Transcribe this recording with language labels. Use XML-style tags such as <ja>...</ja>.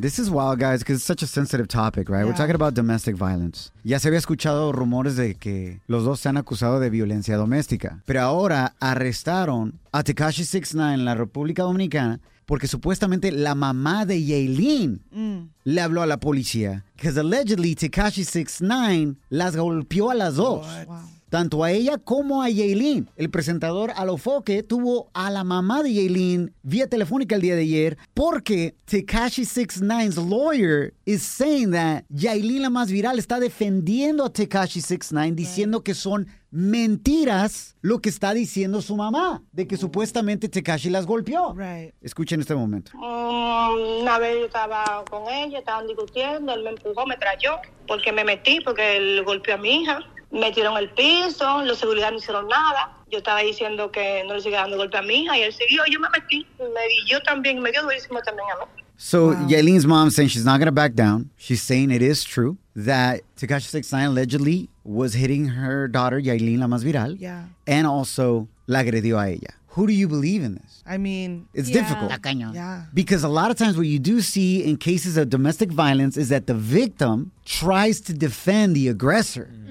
<en>This is wild, guys, because it's such a sensitive topic, right? Yeah. We're talking about domestic violence.</en> <es>Ya se había escuchado rumores de que los dos se han acusado de violencia doméstica. Pero ahora arrestaron a Tekashi 6ix9ine en la República Dominicana. Porque supuestamente la mamá de Yailin le habló a la policía.</es> <en>Because allegedly</en> <es>Tekashi 6ix9ine las golpeó a las dos.</es> <en>Wow.</en> <es>Tanto a ella como a Yailin. El presentador Alofoque tuvo a la mamá de Yailin vía telefónica el día de ayer. Porque Tekashi 6ix9ine's</es> <en>lawyer is saying that</en> <es>Yailin la más viral está defendiendo a Tekashi 6ix9ine diciendo que son mentiras lo que está diciendo su mamá, de que supuestamente Tekashi las golpeó.</es> <en>Right.</en> <es>Escuchen este momento. Una vez yo estaba con ella, estaban discutiendo, él me empujó, me trayó, porque me metí, porque él golpeó a mi hija. Me tiró en el piso, los seguridad no hicieron nada. Yo estaba diciendo que no le sigue dando golpe a mi hija y él siguió, yo me metí, me di yo también, me dio durísimo también a mí.</es> <en>So Yailin's mom saying she's not going to back down. She's saying it is true that Tekashi 6ix9ine allegedly was hitting her daughter, Yailin La Más Viral, and also</en> <es>la agredió a ella.</es> <en>Who do you believe in this? I mean, it's difficult.</en> <es>La cañón.</es> <en>Yeah. Because a lot of times what you do see in cases of domestic violence is that the victim tries to defend the aggressor.</en>